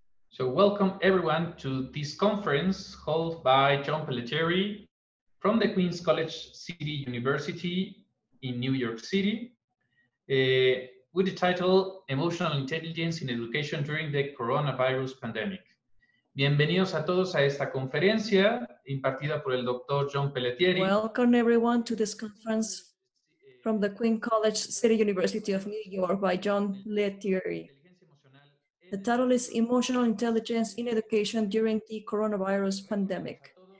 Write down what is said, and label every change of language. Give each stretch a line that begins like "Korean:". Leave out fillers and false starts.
English: So welcome everyone to this conference held by John Pellitteri from the Queens College City University in New York City with the title Emotional Intelligence in Education During the Coronavirus Pandemic.
Spanish: Bienvenidos a todos a esta conferencia impartida por el Dr. John Pellitteri.
English: Welcome everyone to this conference from the Queens College City University of New York by John Pellitteri. The title is Emotional Intelligence in Education During the Coronavirus Pandemic.